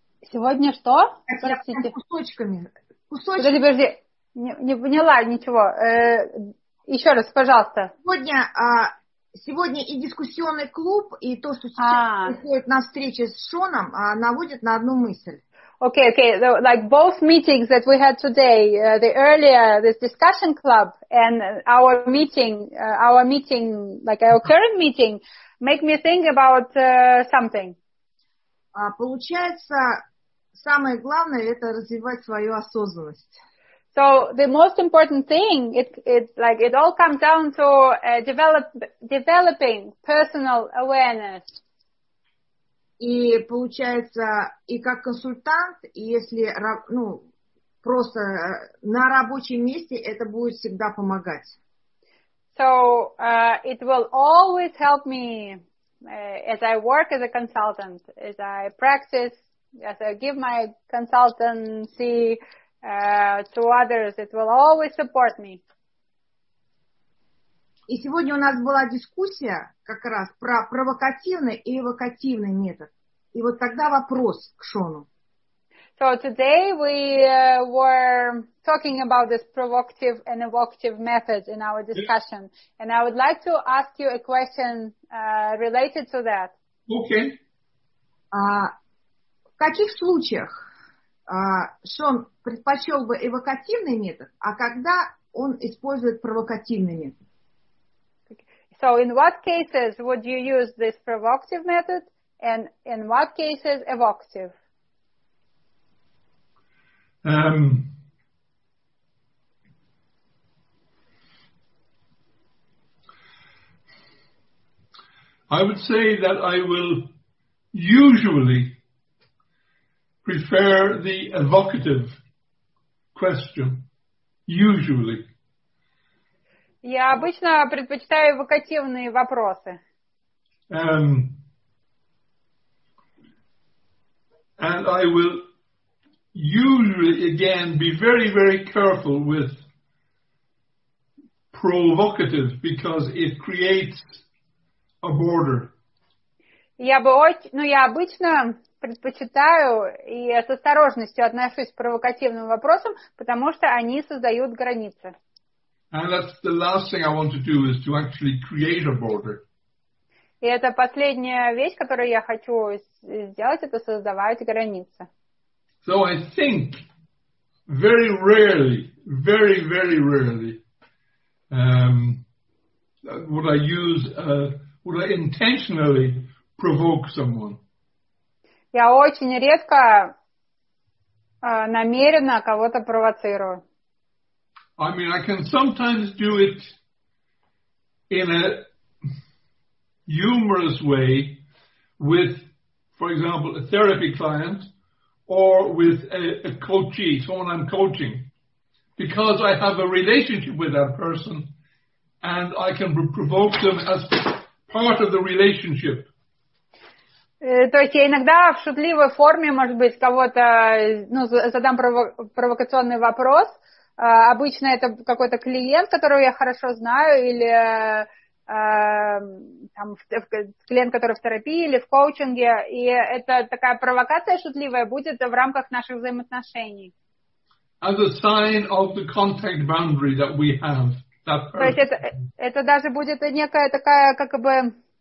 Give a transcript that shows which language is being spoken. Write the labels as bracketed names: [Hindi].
[Russian] Сегодня что? Простите. Кусочками. Кусочками. Подожди, подожди. Не поняла ничего. Еще раз, пожалуйста. Сегодня... Сегодня и дискуссионный клуб, и то, что сейчас происходит на встрече с Шоном, наводит на одну мысль. [English] Okay, okay. So, like both meetings that we had today, the earlier this discussion club and our meeting, like our current meeting, make me think about something. [Russian] Получается, самое главное это развивать свою осознанность. [English] So the most important thing, it all comes down to developing personal awareness. [Russian] И получается, и как консультант, и если, ну, просто на рабочем месте, это будет всегда помогать. [English] So it will always help me as I work as a consultant, as I practice, as I give my consultancy to others, it will always support me. [Russian] И сегодня у нас была дискуссия как раз про провокативный и эвокативный метод. И вот тогда вопрос к Шону. [English] So today we were talking about this provocative and evocative methods in our discussion. Yes. And I would like to ask you a question related to that. Okay. [Russian] В каких случаях Шон предпочел бы эвокативный метод, а когда он использует провокативный метод? [English] So in what cases would you use this provocative method? And in what cases evocative? I would say that I will usually prefer the evocative question. Usually. [Russian] Я обычно предпочитаю эвокативные вопросы. [English] And I will usually, again, be very, very careful with provocative, because it creates a border. [Russian] Я обычно предпочитаю и с осторожностью отношусь к провокативным вопросам, потому что они создают границы. [English] And that's the last thing I want to do, is to actually create a border. [Russian] И это последняя вещь, которую я хочу сделать, это создавать границы. [English] So I think very rarely, very, very rarely, would I use, would I intentionally provoke someone. [Russian] Я очень редко намеренно кого-то провоцирую. [English] I mean, I can sometimes do it in a humorous way with, for example, a therapy client or with a coachee, someone I'm coaching, because I have a relationship with that person and I can provoke them as part of the relationship. [Russian] То есть я иногда в шутливой форме, может быть, кого-то, ну, задам провокационный вопрос. Обычно это какой-то клиент, которого я хорошо знаю, или там, клиент, который в терапии или в коучинге. И это такая провокация шутливая будет в рамках наших взаимоотношений. [English] As a sign of the contact boundary that we have. That [Russian] то есть это даже будет некая такая, как бы...